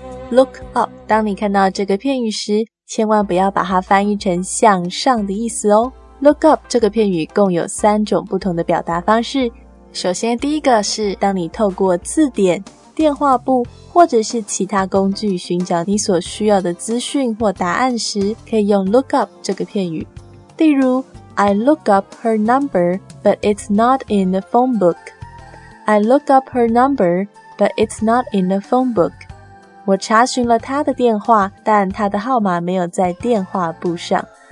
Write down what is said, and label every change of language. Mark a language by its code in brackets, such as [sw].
[zh] Look up， 当你看到这个片语时，千万不要把它翻译成向上的意思哦。 Look up 这个片语共有三种不同的表达方式。首先，第一个是当你透过字典、电话簿或者是其他工具寻找你所需要的资讯或答案时，可以用 look up 这个片语。例如 [en] ，I look up her number, but it's not in the phone book. I look up her number, but it's not in the phone book. [zh] 我查询了他的电话，但他的号码没有在电话簿上。